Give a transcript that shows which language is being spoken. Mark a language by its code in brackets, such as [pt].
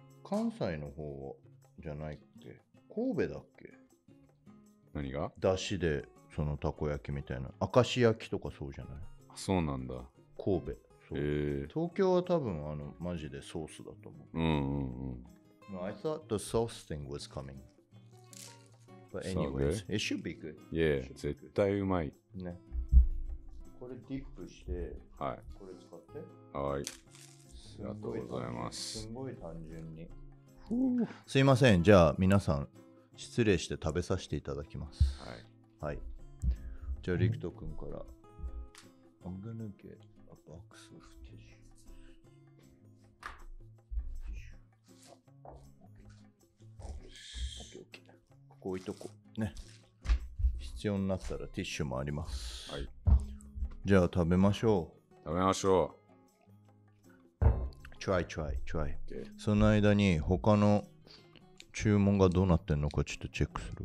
[ja] 関西の方じゃないっけ、神戸だっけ。何がだしでそのたこ焼きみたいな、明石焼きとかそうじゃない。そうなんだ、神戸。そう、東京は多分あのマジでソースだと思う。うんうんうん。 [en] I thought the sauce thing was coming, but anyways、ね、it should be good. Yeah, be good. [ja] 絶対うまいね。これディップして、はい、これ使って、はい、ありがとうございます。すごい単純に。ふう、すいません、じゃあ皆さん失礼して食べさせていただきます。はい、はい、じゃあリクト君から。 [en] I'm gonna get a box of tissue. [ja] OKOK、 ここ置いとこね。必要になったらティッシュもあります。はい、じゃあ食べましょう。食べましょう。 [en] Try, try, try. [ja] その間に他の注文がどうなってんのかちょっとチェックする